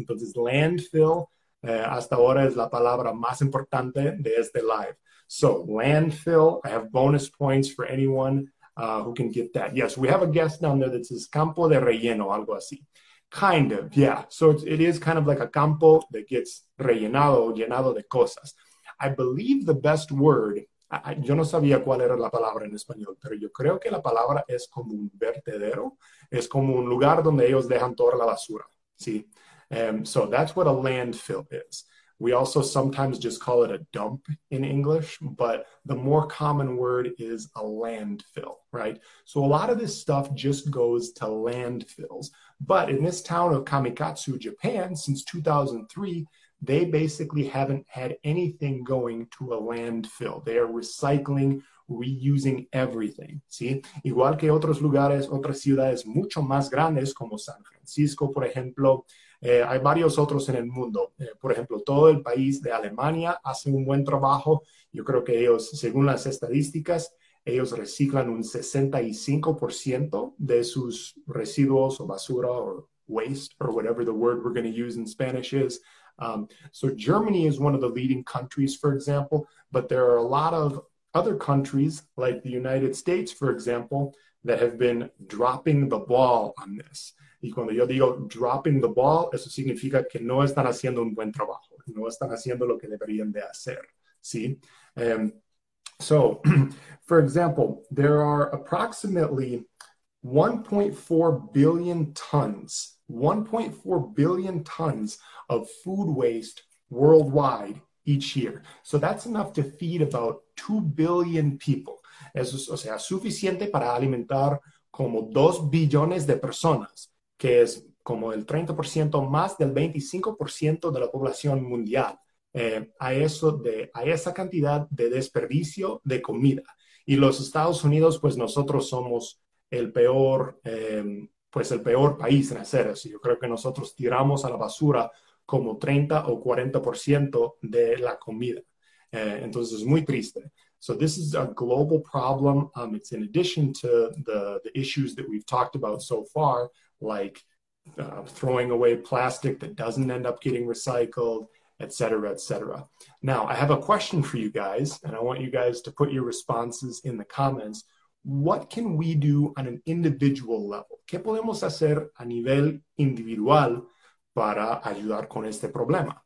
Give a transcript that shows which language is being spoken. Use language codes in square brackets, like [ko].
[es] Entonces, landfill, hasta ahora es la palabra más importante de este live. [en] So, landfill, I have bonus points for anyone who can get that. Yes, we have a guest down there that says [es] campo de relleno, algo así. [en] Kind of, yeah. So it is kind of like a campo that gets [es] rellenado, llenado de cosas. [en] I believe the best word, [es] yo no sabía cuál era la palabra en español, pero yo creo que la palabra es como un vertedero. Es como un lugar donde ellos dejan toda la basura, ¿sí? [en] So that's what a landfill is. We also sometimes just call it a dump in English, but the more common word is a landfill, right? So a lot of this stuff just goes to landfills. But in this town of Kamikatsu, Japan, since 2003, they basically haven't had anything going to a landfill. They are recycling, reusing everything. ¿Sí? [es] Igual que otros lugares, otras ciudades mucho más grandes como San Francisco, por ejemplo. Hay varios otros en el mundo. Por ejemplo, todo el país de Alemania hace un buen trabajo. Yo creo que ellos, según las estadísticas, ellos reciclan un 65% de sus residuos o basura o waste, [en] or whatever the word we're going to use in Spanish is. So Germany is one of the leading countries, for example, but there are a lot of other countries, like the United States, for example, that have been dropping the ball on this. [es] Y cuando yo digo [en] dropping the ball, [es] eso significa que no están haciendo un buen trabajo. No están haciendo lo que deberían de hacer. [en] ¿Sí? So, for example, there are approximately 1.4 billion tons, 1.4 billion tons of food waste worldwide each year. So that's enough to feed about 2 billion people. [es] Eso es, o sea, suficiente para alimentar como 2 billones de personas, que es como el 30% más del 25% de la población mundial. A esa cantidad de desperdicio de comida. Y los Estados Unidos, pues nosotros somos el peor país en hacer eso. Yo creo que nosotros tiramos a la basura como 30 o 40% de la comida. Entonces es muy triste. [en] So this is a global problem. It's in addition to the issues that we've talked about so far, like throwing away plastic that doesn't end up getting recycled, et cetera, et cetera. Now, I have a question for you guys, and I want you guys to put your responses in the comments. What can we do on an individual level? [es] ¿Qué podemos hacer a nivel individual para ayudar con este problema?